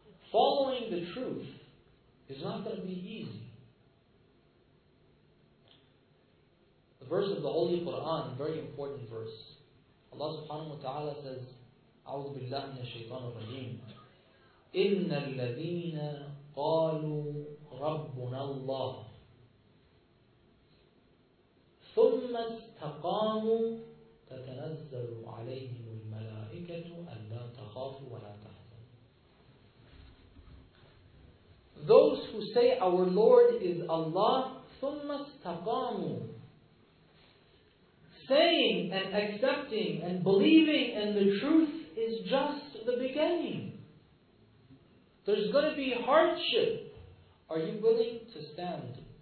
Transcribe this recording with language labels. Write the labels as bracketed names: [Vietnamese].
[English] Following the truth is not going to be easy. The verse of the Holy Quran, very important verse. Allah subhanahu wa ta'ala says, [Arabic] أعوذ بالله من الشيطان الرجيم. إن الذين قالوا ربنا الله ثم استقاموا تتنزل عليهم الملائكة ألا تخافوا ولا تحزنوا. [English] Those who say our Lord is Allah, [Arabic] ثم استقاموا, [English] saying and accepting and believing in the truth is just the beginning. There's going to be hardship. Are you willing to stand?